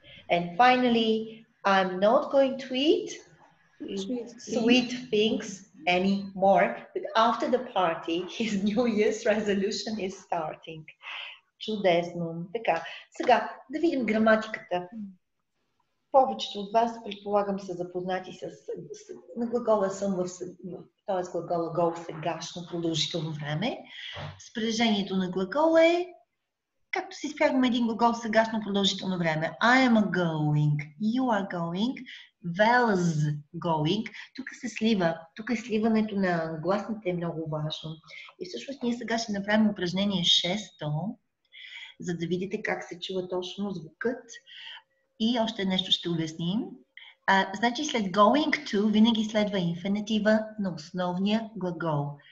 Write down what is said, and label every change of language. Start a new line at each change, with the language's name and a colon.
English: And finally, I'm not going to eat sweet things anymore. But after the party, his New Year's resolution is starting.
Bulgarian: Чудесно. Така, сега да видим граматиката. Повечето от вас, предполагам, са запознати с на глагола съм в т.е. глагола го в сегашно продължително време. Спрежението на глагола е, както си спягаме един глагол в сегашно продължително време.
English: I am going, you are going, Val's going.
Bulgarian: Тук се слива, тук е сливането на гласните е много важно. И всъщност ние сега ще направим упражнение 6-то, за да видите как се чува точно звукът. И още нещо ще обясним. Значи след going to винаги следва инфинитива на основния глагол.